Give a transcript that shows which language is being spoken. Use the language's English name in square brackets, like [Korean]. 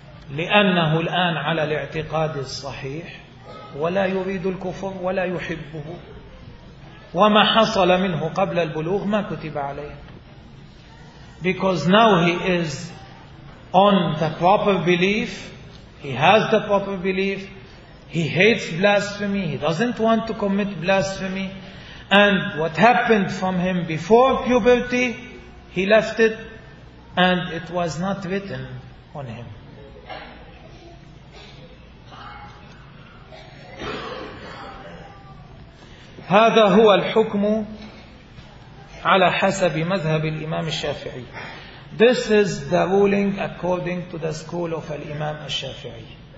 [Arabic] لأنه الآن على الاعتقاد الصحيح ولا يريد الكفر ولا يحبه وما حصل منه قبل البلوغ ما كتب عليه. [English] Because now he is on the proper belief, he has the proper belief, he hates blasphemy, he doesn't want to commit blasphemy, and what happened from him before puberty, he left it, and it was not written on him. [Arabic] هذا هو الحكم على حسب مذهب الإمام الشافعي. [English] This is the ruling according to the school of Al-Imam Al-Shafi'i.